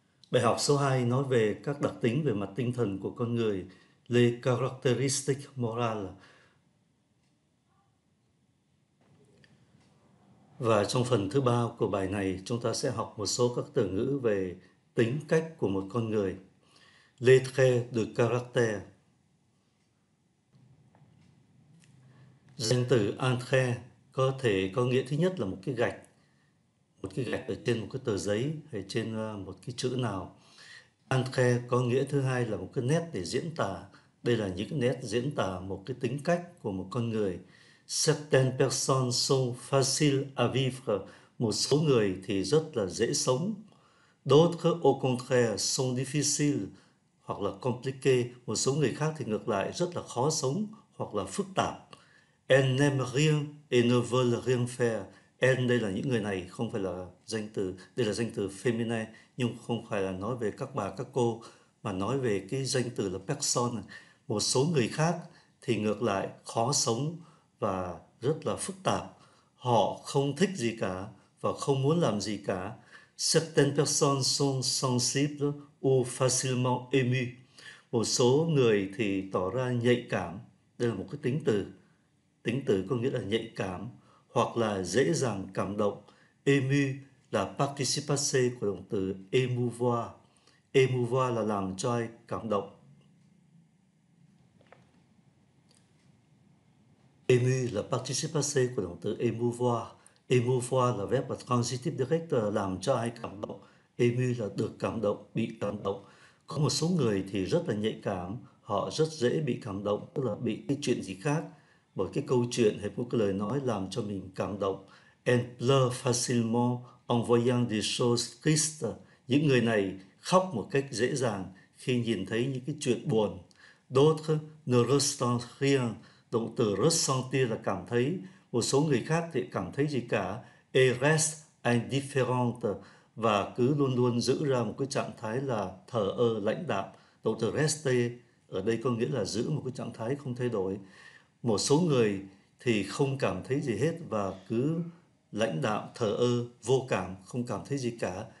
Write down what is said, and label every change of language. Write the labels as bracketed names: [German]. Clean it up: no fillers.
[Vietnamese] Bài học số 2 nói về các đặc tính về mặt tinh thần của con người, [French] les caractéristiques morales. [Vietnamese] Và trong phần thứ ba của bài này, chúng ta sẽ học một số các từ ngữ về tính cách của một con người. [French] Les traits de caractère. [Vietnamese] Danh từ un trait có thể có nghĩa thứ nhất là một cái gạch ở trên một cái tờ giấy hay trên một cái chữ nào. Un trait có nghĩa thứ hai là một cái nét để diễn tả. Đây là những cái nét diễn tả một cái tính cách của một con người. [French] Certaines personnes sont faciles à vivre. [Vietnamese] Một số người thì rất là dễ sống. [French] D'autres, au contraire, sont difficiles. [Vietnamese] Hoặc là compliqué, một số người khác thì ngược lại rất là khó sống hoặc là phức tạp. [French] Elles n'aiment rien et ne veulent rien faire. [Vietnamese] Elles, đây là những người này, không phải là danh từ, đây là danh từ feminine, nhưng không phải là nói về các bà, các cô, mà nói về cái danh từ là person. Một số người khác thì ngược lại khó sống và rất là phức tạp. Họ không thích gì cả và không muốn làm gì cả. [French] Certaines personnes sont sensibles ou facilement émues. [Vietnamese] Một số người thì tỏ ra nhạy cảm. Đây là một cái tính từ. Tính từ có nghĩa là nhạy cảm hoặc là dễ dàng cảm động. Émue là participe passé của động từ émouvoir. Émouvoir là làm cho ai cảm động. Émue là participe passé của động từ émouvoir. Émouvoir là verb transitif direct, làm cho ai cảm động. Ému là được cảm động, bị cảm động. Có một số người thì rất là nhạy cảm, họ rất dễ bị cảm động, tức là bị cái chuyện gì khác, bởi cái câu chuyện hay một cái lời nói làm cho mình cảm động. [French] Elle pleure facilement en voyant des choses tristes. [Vietnamese] Những người này khóc một cách dễ dàng khi nhìn thấy những cái chuyện buồn. [French] D'autres ne ressentent rien. [Vietnamese] Động từ ressentir là cảm thấy. Một số người khác thì cảm thấy gì cả. [French] Et restent indifférentes. [Vietnamese] Và cứ luôn luôn giữ ra một cái trạng thái là thờ ơ, lãnh đạm. Động từ rester ở đây có nghĩa là giữ một cái trạng thái không thay đổi. Một số người thì không cảm thấy gì hết và cứ lãnh đạm, thờ ơ, vô cảm, không cảm thấy gì cả.